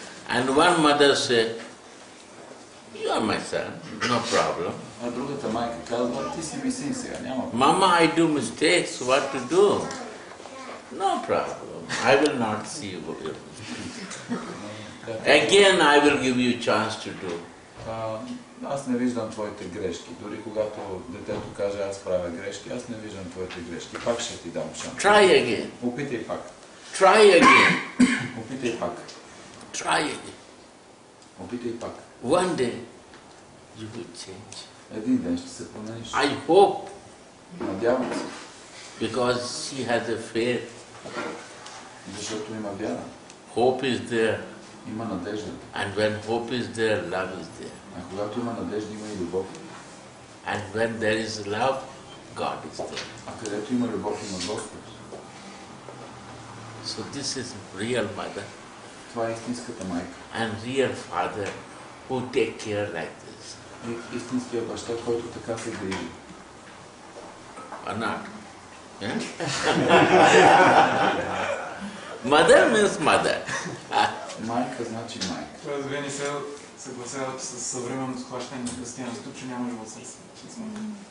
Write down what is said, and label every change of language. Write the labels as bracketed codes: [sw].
[en] And one mother said, you are my son, no problem. [bg] А другата майка казва, ти си ми син сега, няма [en] проблем. Mama, I do mistakes, what to do? No problem, I will not see you. Again, I will give you chance to do. [bg] Аз не виждам твоите грешки. Дори когато детето каже, аз правя грешки, аз не виждам твоите грешки. Пак ще ти дам шанс. [en] Try again. [bg] Опитай пак. [en] Try again. [bg] Опитай пак. [en] Try again. [bg] Опитай пак. [en] One day you will change. [bg] Един ден ще се промениш. [en] I hope. [bg] Надявам се. [en] Because she has a faith. [bg] Защото има вяра. [en] Hope is there. [bg] Има надежда. [en] And when hope is there, love is there. [bg] А когато има надежда, има и любов. [en] And when there is love, God is there. [bg] А където има любов, има Господ. [en] So this is real mother. [bg] Това е истинската майка. [en] And real father who take care like this. [bg] И истинския баща, който така се грижи. [en] Or not? Mother means mother. [bg] Майка значи майка. Това две не се съгласяват с съвременното схващане на християнството, че няма живот след смъртта.